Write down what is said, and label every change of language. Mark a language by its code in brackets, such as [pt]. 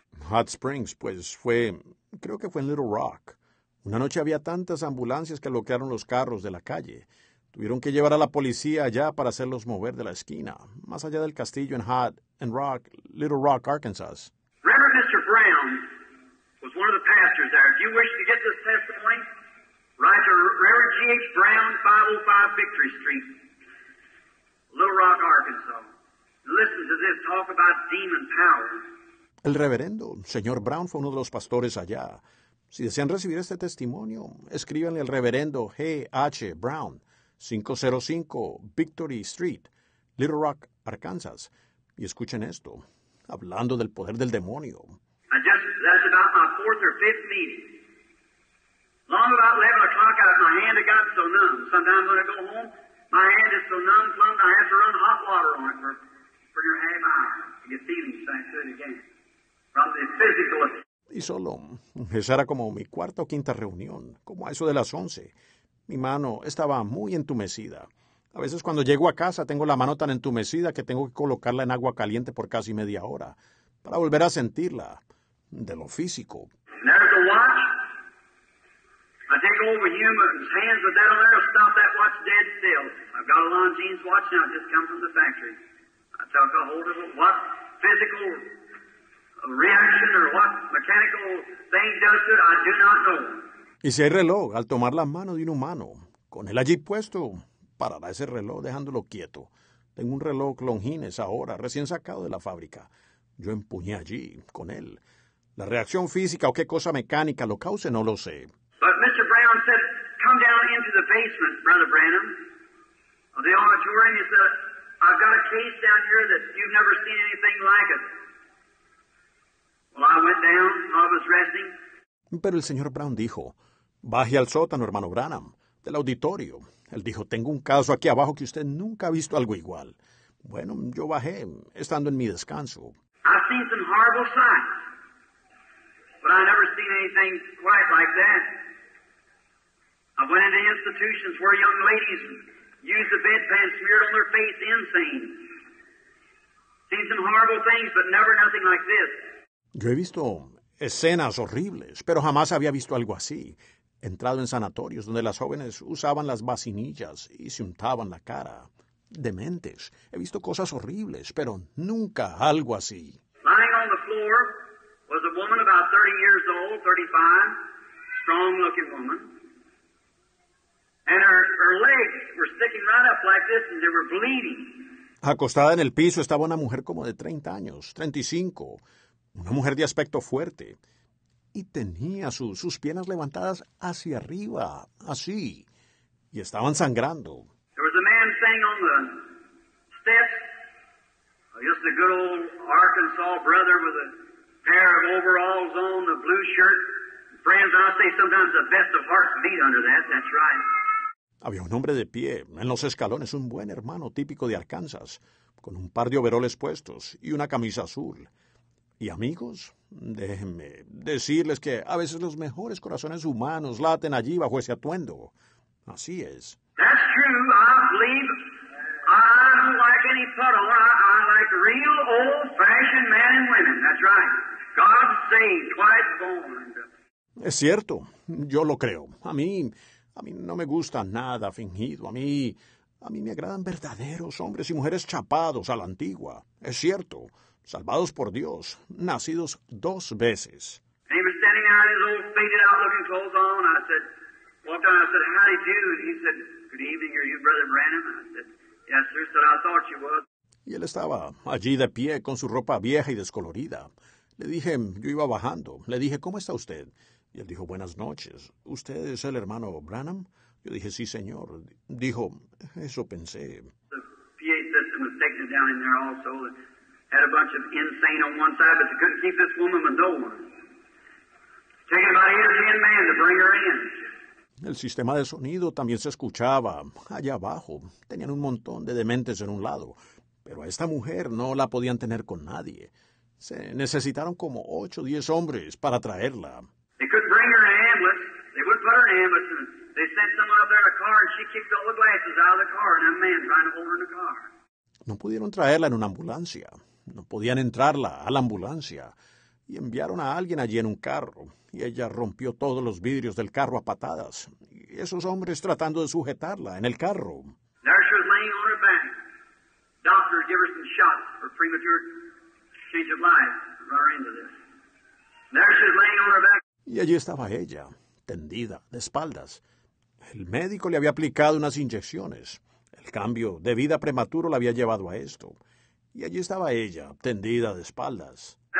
[es] Hot Springs, pues fue, creo que fue en Little Rock. Una noche había tantas ambulancias que bloquearon los carros de la calle. Tuvieron que llevar a la policía allá para hacerlos mover de la esquina, más allá del castillo en Hot and Rock, Little Rock, Arkansas. [en] Reverend Mr. Brown was one of the pastors there. If you wish to get this testimony, write to Reverend G.H. Brown, 505 Victory Street, Little Rock, Arkansas. Listen to this talk about demon power. [es] El reverendo, señor Brown, fue uno de los pastores allá. Si desean recibir este testimonio, escríbanle al reverendo G.H. Brown, 505 Victory Street, Little Rock, Arkansas. Y escuchen esto, hablando del poder del demonio. [en] That's about my fourth or fifth meeting. Long about 11 o'clock, my hand had got so numb. Sometimes when I go home, my hand is so numb, plumbed, I have to run hot water on it for your half hour to get feelings back to it again. Probably physical. [es] Y solo, esa era como mi cuarta o quinta reunión, como a eso de las 11. Mi mano estaba muy entumecida. A veces cuando llego a casa tengo la mano tan entumecida que tengo que colocarla en agua caliente por casi media hora para volver a sentirla de lo físico. [en] And there's a watch. I take over humans' hands with that on there, stop that watch dead still. I've got a Longines watch now, just come from the factory. I took a hold of what physical reaction or what mechanical thing does to it, I do not know. [es] Y si hay reloj, al tomar la mano de un humano, con él allí puesto, parará ese reloj dejándolo quieto. Tengo un reloj Longines ahora, recién sacado de la fábrica. Yo empuñé allí, con él. La reacción física o qué cosa mecánica lo cause, no lo sé. [en] But Mr. Brown said, come down into the basement, Brother Branham. The auditorium, he said, I've got a case down here that you've never seen anything like it. Well, I went down, I was resting. [es] Pero el señor Brown dijo, baje al sótano, hermano Branham, del auditorio. Él dijo, tengo un caso aquí abajo que usted nunca ha visto algo igual. Bueno, yo bajé, estando en mi descanso. [en] I've seen some horrible sights, but I've never seen anything quite like that. I went into institutions where young ladies use the bedpan smeared on their face insane. Seen some horrible things, but never nothing like this. [es] Yo he visto escenas horribles, pero jamás había visto algo así. Entrado en sanatorios donde las jóvenes usaban las vacinillas y se untaban la cara. Dementes. He visto cosas horribles, pero nunca algo así. [en] Lying on the floor was a woman about 30 years old, 35, strong-looking woman. And her legs were sticking right up like this and they were bleeding. [es] Acostada en el piso estaba una mujer como de 30 años, 35. Una mujer de aspecto fuerte, y tenía sus piernas levantadas hacia arriba, así, y estaban sangrando. [en] There was a man sitting on the steps, just a good old Arkansas brother with a pair of overalls on, a blue shirt. Friends, I say sometimes the best of hearts beat under that, that's right. [es] Había un hombre de pie, en los escalones, un buen hermano típico de Arkansas, con un par de overoles puestos y una camisa azul. Y amigos, déjenme decirles que a veces los mejores corazones humanos laten allí bajo ese atuendo. Así es. [en] That's true. I believe I don't like any puddle. I like real old-fashioned men and women. That's right. God saved, twice born. [es] Es cierto. Yo lo creo. A mí no me gusta nada fingido. A mí me agradan verdaderos hombres y mujeres chapados a la antigua. Es cierto. Salvados por Dios, nacidos dos veces. [en] He was standing there in his old faded out looking clothes on. I said, walked on, I said, how do you do? And he said, good evening, are you Brother Branham? I said, yes, sir, said, I thought you was. [es] Y él estaba allí de pie con su ropa vieja y descolorida. Le dije, yo iba bajando. Le dije, ¿cómo está usted? Y él dijo, buenas noches. ¿Usted es el hermano Branham? Yo dije, sí, señor. Dijo, eso pensé. [en] The PA system was taking it down in there also. Had a bunch of insane on one side, but they couldn't keep this woman with no one. Taking about 8 or 10 men to bring her in. [es] El sistema de sonido también se escuchaba allá abajo. Tenían un montón de dementes en un lado, pero a esta mujer no la podían tener con nadie. Se necesitaron como 8 o 10 hombres para traerla. [en] They couldn't bring her in an ambulance. They wouldn't put her in an ambulance. And they sent someone up there in a car, and she kicked all the glasses out of the car, and a man trying to hold her in the car. [es] No pudieron traerla en una ambulancia. No podían entrarla a la ambulancia. Y enviaron a alguien allí en un carro. Y ella rompió todos los vidrios del carro a patadas. Y esos hombres tratando de sujetarla en el carro. [en] There she was laying on her back. Doctor gave her some shots for premature change of life. Run her into this. There she was laying on her back. [es] Y allí estaba ella, tendida, de espaldas. El médico le había aplicado unas inyecciones. El cambio de vida prematuro la había llevado a esto. Y allí estaba ella, tendida de espaldas.